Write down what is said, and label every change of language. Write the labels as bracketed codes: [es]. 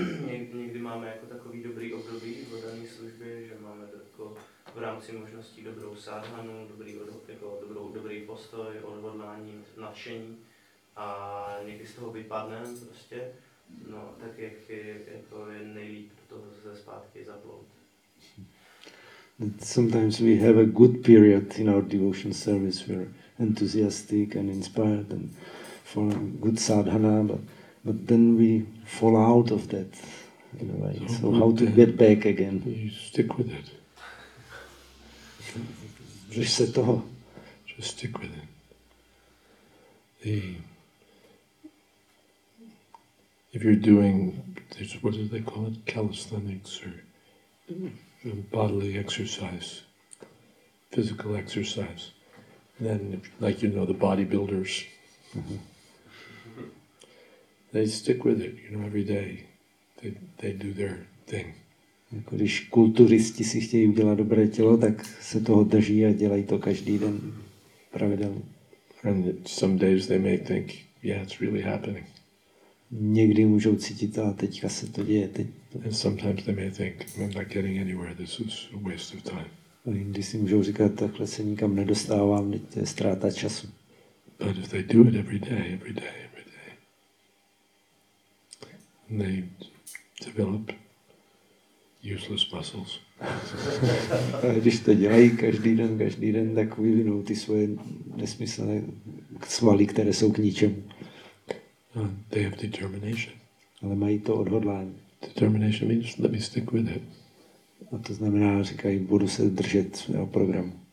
[cs] Někdy máme jako takový dobrý období v oddané službě, že máme jako v rámci možností dobrou sádhanu, dobrý, jako dobrý postoj, odhodlání, nadšení a někdy z toho vypadneme prostě, no tak jak je, jako je nejlíp to zase zpátky zaplout. [en] Sometimes we have a good period in our devotion service, we're enthusiastic and inspired and for good sadhana, but then we fall out of that in a way. So how to get back again? You stick with it. Just stick with it. If you're doing this, what do they call it? Calisthenics or bodily exercise, physical exercise. Then, like you know, the bodybuilders. Mm-hmm. They stick with it, you know, every day. They do their thing. [cs] Jako když kulturisti si chtějí udělat dobré tělo, tak se toho drží a dělají to každý den pravidelně. [en] And some days they may think, yeah, it's really happening. [cs] Někdy můžou cítit, a teďka se to děje. [en] And sometimes they may think, I'm not getting anywhere, this is a waste of time. [cs] A jindy si můžou říkat, takhle se nikam nedostávám, teď to je ztráta času. [en] But if they do it every day, every day, they develop useless muscles. [cs] A když to dělají každý den, tak vyvinou ty svoje nesmyslné svaly, které jsou k ničemu. [en] They have determination. [cs] Ale mají to odhodlání. [en] Determination means let me stick with it. [cs] A to znamená, říkají, budu se držet svého programu.